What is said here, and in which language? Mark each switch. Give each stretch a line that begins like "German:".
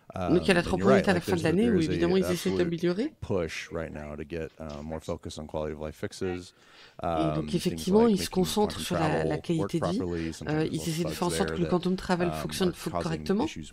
French: Donc il y a la 3.8 à la fin de l'année où évidemment ils essaient d'améliorer.
English: Push right now to get more focus on quality of life fixes.
French: Et donc effectivement, ils se concentrent sur la qualité de vie. Ils essaient de faire en sorte que le quantum travel fonctionne correctement.